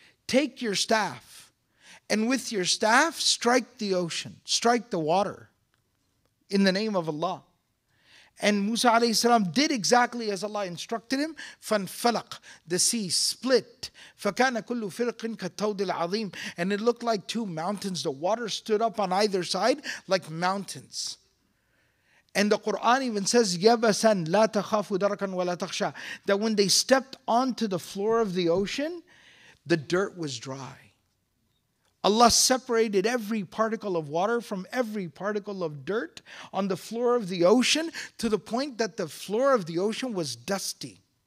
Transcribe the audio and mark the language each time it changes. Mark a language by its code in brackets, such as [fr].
[en] Take your staff. And with your staff, strike the ocean, strike the water in the name of Allah. And Musa alayhi salam did exactly as Allah instructed him. [ar] فَانْفَلَقْ. [en] The sea split. [ar] فَكَانَ كُلُّ فِرْقٍ كَالتَّوْدِ الْعَظِيمِ. [en] And it looked like two mountains. The water stood up on either side like mountains. And the Quran even says, [ar] يَبَسًا لَا تَخَافُ دَرَكًا وَلَا تَخْشَى. [en] That when they stepped onto the floor of the ocean, the dirt was dry. Allah separated every particle of water from every particle of dirt on the floor of the ocean to the point that the floor of the ocean was dusty.